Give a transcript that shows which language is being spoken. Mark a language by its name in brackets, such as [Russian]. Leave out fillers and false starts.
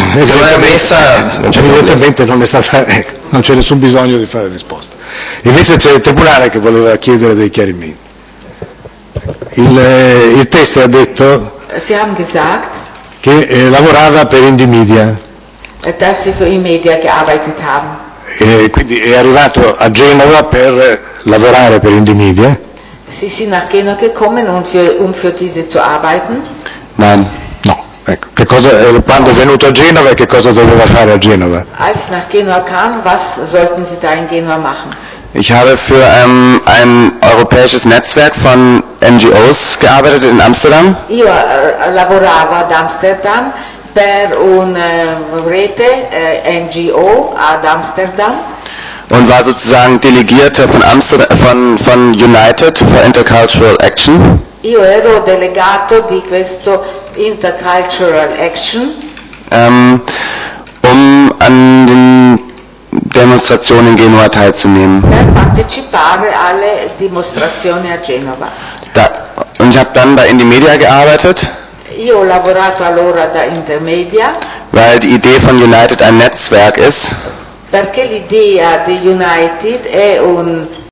[Italian] Se non è ammessa, non c'è evidentemente non è stata, non c'è nessun bisogno di fare risposta. Invece c'è il tribunale che voleva chiedere dei chiarimenti. Il test ha detto. [German] Sie haben gesagt, [Italian] che lavorava per Indymedia. [German] Dass sie für Indymedia gearbeitet haben. [Italian] E quindi è arrivato a Genova per lavorare per Indymedia. [German] Sie sind nach Genua gekommen, um für diese zu arbeiten? Nein. [Italian] No. Ecco. Che cosa, quando è venuto a Genova, che cosa doveva fare a Genova? [German] Als nach Genua kam, was sollten Sie da in Genua machen? Ich habe für ein europäisches Netzwerk von NGOs gearbeitet in Amsterdam. [Italian] Io lavoravo ad Amsterdam per una rete NGO ad Amsterdam. [German] Und war sozusagen Delegierter von Amsterdam, von United for Intercultural Action. [Italian] Io ero delegato di questo Intercultural Action. [German] Um an den Demonstration in Genua teilzunehmen. [Italian] Per partecipare alle dimostrazioni a Genova. [German] Da, und ich habe dann bei Indymedia gearbeitet. [Italian] Io ho lavorato allora da Intermedia. [German] Weil die Idee von United ein Netzwerk ist. [Italian] Perché l'idea di United è un